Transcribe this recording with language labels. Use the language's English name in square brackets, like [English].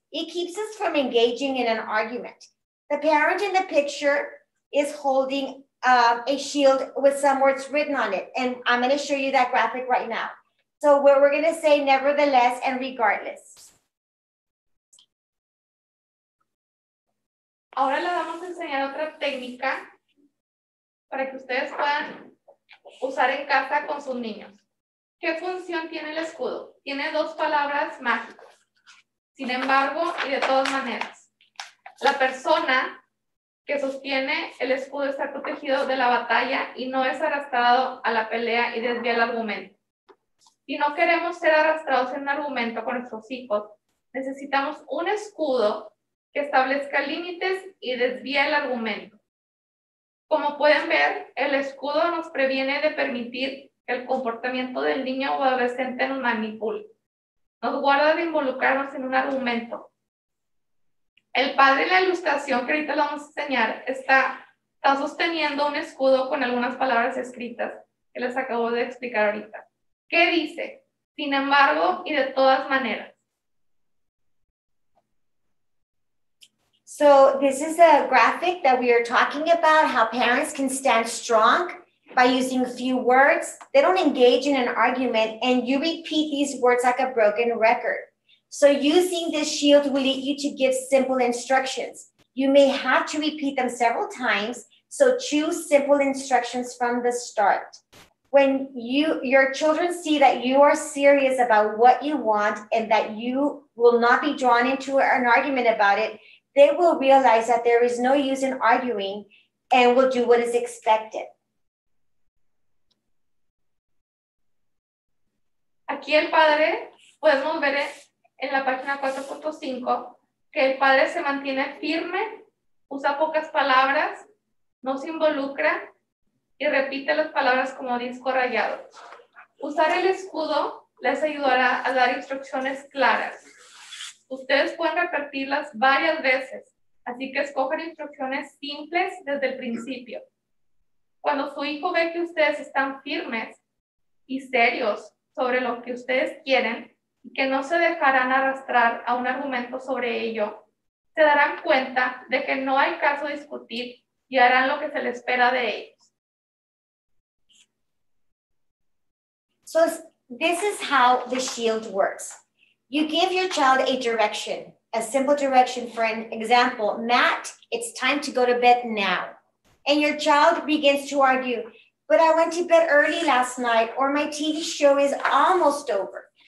[English] It keeps us from engaging in an argument. The parent in the picture is holding a shield with some words written on it. And I'm going to show you that graphic right now. So we're going to say nevertheless and regardless. [Spanish] Ahora les vamos a enseñar otra técnica para que ustedes puedan usar en casa con sus niños. ¿Qué función tiene el escudo? Tiene dos palabras mágicas. Sin embargo, y de todas maneras, la persona que sostiene el escudo está protegido de la batalla y no es arrastrado a la pelea y desvía el argumento. Si no queremos ser arrastrados en un argumento con nuestros hijos, necesitamos un escudo que establezca límites y desvíe el argumento. Como pueden ver, el escudo nos previene de permitir que el comportamiento del niño o adolescente nos manipule. Nos guarda de involucrarnos en un argumento. El padre en la ilustración que ahorita le vamos a enseñar está sosteniendo un escudo con algunas palabras escritas que les acabo de explicar ahorita. ¿Qué dice? Sin embargo y de todas maneras. [English] So this is a graphic that we are talking about, how parents can stand strong by using a few words. They don't engage in an argument, and you repeat these words like a broken record. So using this shield will lead you to give simple instructions. You may have to repeat them several times, so choose simple instructions from the start. When your children see that you are serious about what you want and that you will not be drawn into an argument about it, they will realize that there is no use in arguing and will do what is expected. [Spanish] Aquí el padre, podemos ver en la página 4.5 que el padre se mantiene firme, usa pocas palabras, no se involucra y repite las palabras como disco rayado. Usar el escudo les ayudará a dar instrucciones claras. Ustedes pueden repetirlas varias veces, así que escogen instrucciones simples desde el principio. Cuando su hijo ve que ustedes están firmes y serios sobre lo que ustedes quieren y que no se dejarán arrastrar a un argumento sobre ello, se darán cuenta de que no hay caso de discutir y harán lo que se les espera de ellos. [English] So this is how the shield works. You give your child a direction, a simple direction. For an example, Matt, it's time to go to bed now. And your child begins to argue, but I went to bed early last night, or my TV show is almost over.